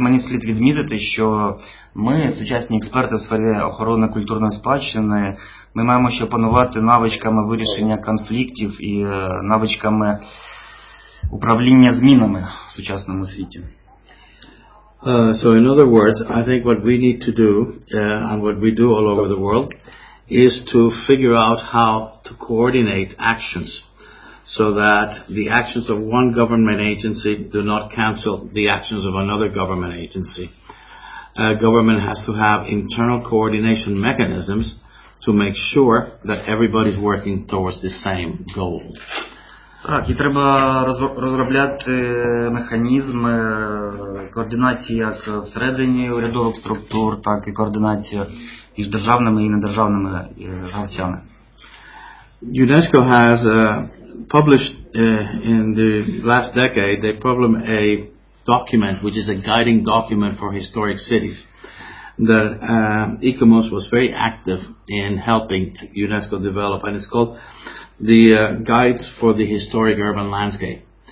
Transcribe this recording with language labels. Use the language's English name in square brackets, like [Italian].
[Ukrainian] І мені слід відмітити, що ми, сучасні експерти в сфері охорони культурної спадщини, ми маємо ще опанувати навичками вирішення конфліктів і навичками управління змінами в сучасному світі. [English] So in other words, I think what we need to do, and what we do all over the world, is to figure out how to coordinate actions, so that the actions of one government agency do not cancel the actions of another government agency. Government has to have internal coordination mechanisms to make sure that everybody's working towards the same goal. [Ukrainian] Так, і треба розробляти механізми координації як всередині урядових структур, так і координацію між державними і недержавними гравцями. [English] UNESCO has published in the last decade, they problem a document, which is a guiding document for historic cities, that ICOMOS was very active in helping UNESCO develop, and it's called the Guides for the Historic Urban Landscape.